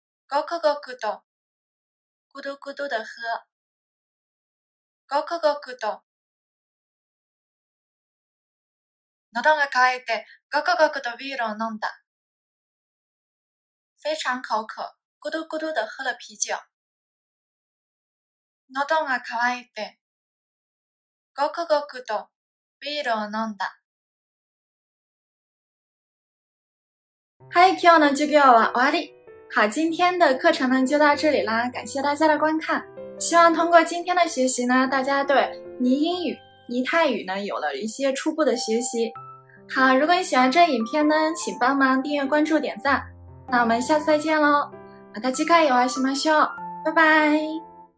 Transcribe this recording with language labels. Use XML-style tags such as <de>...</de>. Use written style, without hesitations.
<zh>ごくごくと、咕嘟咕嘟的喝。</zh> <ja>ごくごくと、喉が渇いて、ごくごくとビールを飲んだ。</ja> <zh>非常口渴、咕嘟咕嘟的喝了啤酒。</zh> <ja>喉が渇いて、ごくごくとビールを飲んだ。はい、今日の授業は終わり。</ja> <zh>好，今天的课程呢就到这里啦，感谢大家的观看。希望通过今天的学习呢，大家对拟英语、拟泰语呢有了一些初步的学习。好，如果你喜欢这影片呢，请帮忙订阅、关注、点赞。那我们下次再见喽，</zh> <ja>また次回お会いしましょう，</ja> <zh>拜拜。</zh>